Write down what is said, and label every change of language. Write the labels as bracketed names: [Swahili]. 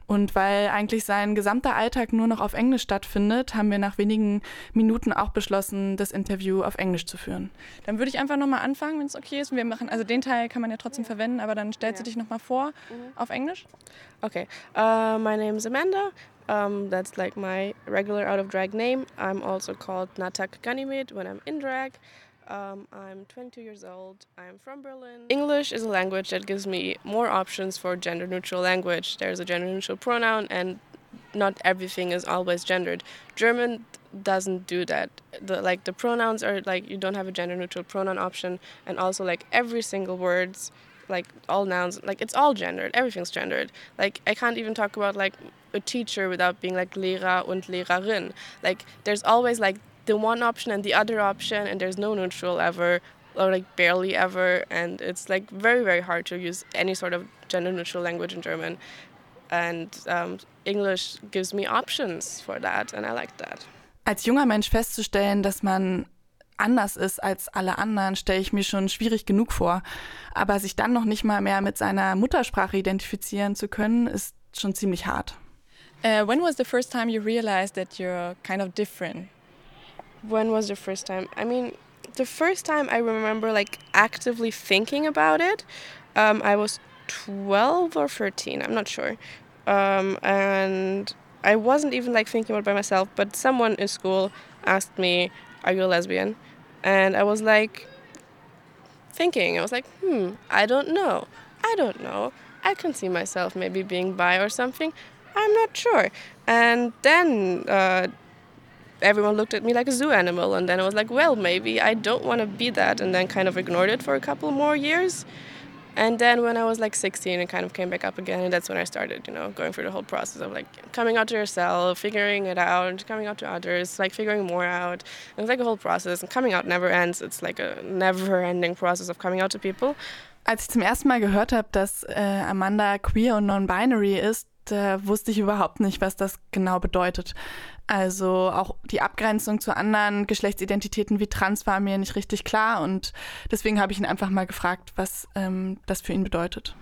[German] Und weil eigentlich sein gesamter Alltag nur noch auf Englisch stattfindet, haben wir nach wenigen Minuten auch beschlossen, das Interview auf Englisch zu führen. Dann würde ich einfach nochmal anfangen, wenn es okay ist. Wir machen, also den Teil kann man ja trotzdem verwenden, aber dann stellst du dich nochmal vor auf Englisch. [English] Okay, my name is Amanda. That's like my regular out of drag name. I'm also called Natak Ganymede when I'm in drag. I'm 22 years old. I'm from Berlin. English is a language that gives me more options for gender-neutral language. There's a gender-neutral pronoun, and not everything is always gendered. German doesn't do that. The pronouns are like you don't have a gender-neutral pronoun option, and also like every single words, like all nouns, like it's all gendered. Everything's gendered. Like I can't even talk about like a teacher without being like [German] Lehrer und Lehrerin. [English] Like there's always like the one option and the other option, and there's no neutral ever, or like barely ever, and it's like very, very hard to use any sort of gender-neutral language in German. And English gives me options for that, and I like that. [German] Als junger Mensch festzustellen, dass man anders ist als alle anderen, stelle ich mir schon schwierig genug vor. Aber sich dann noch nicht mal mehr mit seiner Muttersprache identifizieren zu können, ist schon ziemlich hart. [English] When was the first time you realized that you're kind of different? When was the first time? I mean, the first time I remember like actively thinking about it, I was 12 or 13, I'm not sure. And I wasn't even like thinking about it by myself, but someone in school asked me, are you a lesbian? And I was like thinking, I was like, I don't know. I can see myself maybe being bi or something. I'm not sure. And then, everyone looked at me like a zoo animal, and then I was like, well, maybe I don't want to be that, and then kind of ignored it for a couple more years. And then when I was like 16, it kind of came back up again, and that's when I started, you know, going through the whole process of like coming out to yourself, figuring it out, coming out to others, like figuring more out. It was like a whole process, and coming out never ends. It's like a never-ending process of coming out to people. [German] Als ich zum ersten Mal gehört habe, dass Amanda queer und non-binary ist, wusste ich überhaupt nicht, was das genau bedeutet. Also auch die Abgrenzung zu anderen Geschlechtsidentitäten wie trans war mir nicht richtig klar und deswegen habe ich ihn einfach mal gefragt, was das für ihn bedeutet.